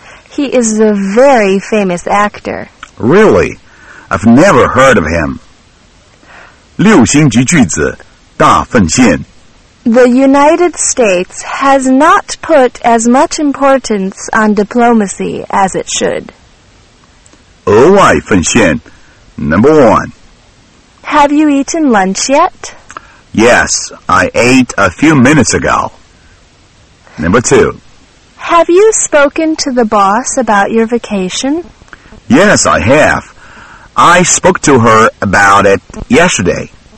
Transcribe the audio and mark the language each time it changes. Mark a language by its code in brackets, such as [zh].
[en] He is a very famous actor. Really? I've never heard of him. [zh] 六星级句子，大奉献。 [en] The United States has not put as much importance on diplomacy as it should. [zh] 额外奉献 [en] Number 1. Have you eaten lunch yet? Yes, I ate a few minutes ago. Number 2. Have you spoken to the boss about your vacation? Yes, I have. I spoke to her about it yesterday.